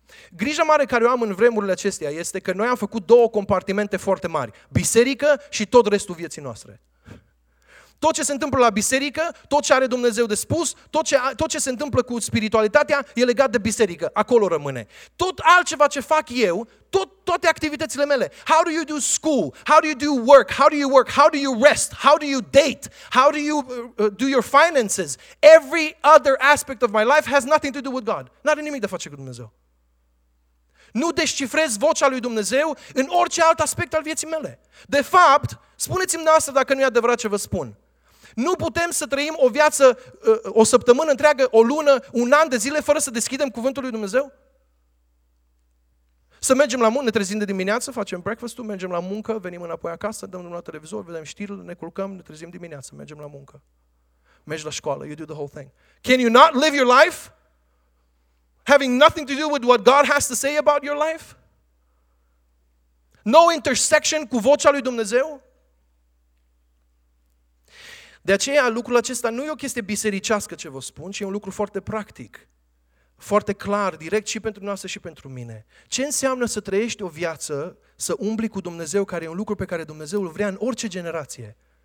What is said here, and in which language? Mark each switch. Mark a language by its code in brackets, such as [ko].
[ro] Grija mare care o am în vremurile acestea este că noi am făcut două compartimente foarte mari, biserică și tot restul vieții noastre. Tot ce se întâmplă la biserică, tot ce are Dumnezeu de spus, tot ce se întâmplă cu spiritualitatea e legat de biserică, acolo rămâne. Tot altceva ce fac eu, toate activitățile mele. [en] How do you do school? How do you do work? How do you work? How do you rest? How do you date? How do you do your finances? Every other aspect of my life has nothing to do with God. [ro] N-are nimic de face cu Dumnezeu. Nu descifrez vocea lui Dumnezeu în orice alt aspect al vieții mele. De fapt, spuneți-mi asta dacă nu e adevărat ce vă spun. Nu putem să trăim o viață, o săptămână întreagă, o lună, un an de zile fără să deschidem cuvântul lui Dumnezeu? Să mergem la muncă, ne trezim de dimineață, facem breakfast-ul, mergem la muncă, venim înapoi acasă, dăm la televizor, vedem știrile, ne culcăm, ne trezim dimineață, mergem la muncă. Mergi la școală, [en] you do the whole thing. Can you not live your life? Having nothing to do with what God has to say about your life? No intersection [ro] cu vocea lui Dumnezeu? De aceea, lucrul acesta nu e o chestie bisericească ce vă spun, ci e un lucru foarte practic, foarte clar, direct și pentru noastră și pentru mine. Ce înseamnă să trăiești o viață, să umbli cu Dumnezeu, care e un lucru pe care Dumnezeu îl vrea în orice generație?